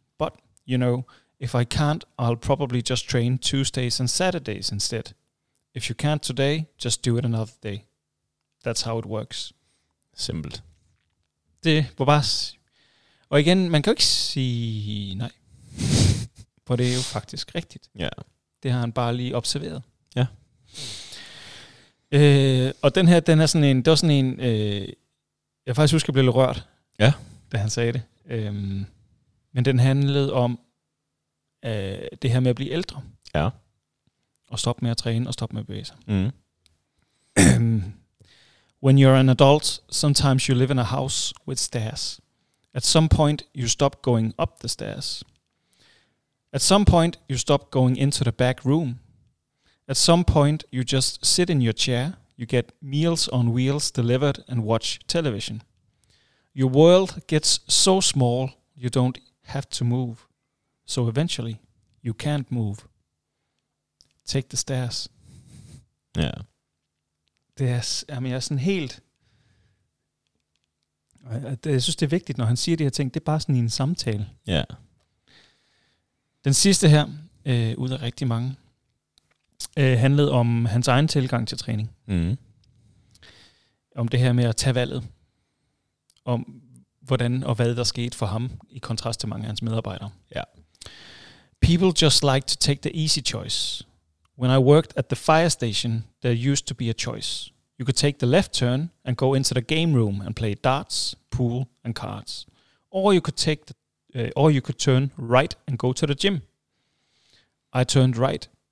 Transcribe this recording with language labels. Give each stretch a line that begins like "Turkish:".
English: But, you know, if I can't, I'll probably just train Tuesdays and Saturdays instead. If you can't today, just do it another day. That's how it works.
Danish: Simpelt. Det var bare. Og igen, man kan jo ikke sige nej. For det er jo faktisk rigtigt. Ja.
English: Yeah.
Danish: Det har han bare lige observeret. Ja. Og den her, den er sådan en, det var sådan en, jeg faktisk husker, jeg blev lidt rørt, ja, da han sagde det. Men den handlede om det her med at blive ældre. Ja. Og stoppe med at træne og stoppe med at bevæge sig. Mm.
English: When you're an adult, sometimes you live in a house with stairs. At some point, you stop going up the stairs. At some point, you stop going into the back room. At some point, you just sit in your chair, you get meals on wheels delivered and watch television. Your world gets so small, you don't have to move. So eventually, you can't move. Take the stairs.
Danish: Ja.
English: Yeah.
Danish: Det er,
English: I mean,
Danish: er sådan helt. Jeg synes, det er vigtigt, når han siger de her ting. Det er bare sådan en samtale. Ja.
English: Yeah.
Danish: Den sidste her, ud af rigtig mange, handlede om hans egen tilgang til træning. Mm. om det her med at tage valget, om hvordan og hvad der skete for ham, i kontrast til mange af hans medarbejdere. Ja.
English: People just like to take the easy choice. When I worked at the fire station, there used to be a choice. You could take the left turn and go into the game room and play darts, pool and cards. Or you could take the, or you could turn right and go to the gym. I turned right.